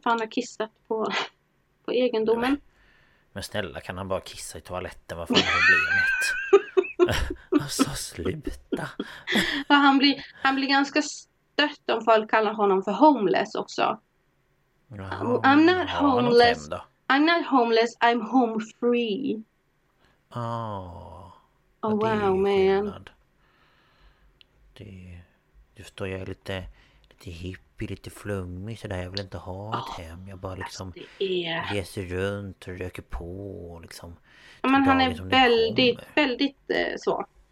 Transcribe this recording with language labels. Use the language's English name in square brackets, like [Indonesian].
[Swedish] För han har kissat på egendomen. Men snälla, kan han bara kissa i toaletten? Vad fan har blivit? Alltså, sluta. Ja, han blir ganska stött om folk kallar honom för homeless också. Jaha, [English] I'm not homeless. I'm not homeless, I'm home free. Oh wow, man. [Swedish] Du förstår, jag är lite hippie, lite flummig så där. Jag vill inte ha ett hem. Jag bara liksom reser runt och röker på. Och liksom, men han är väldigt, väldigt så.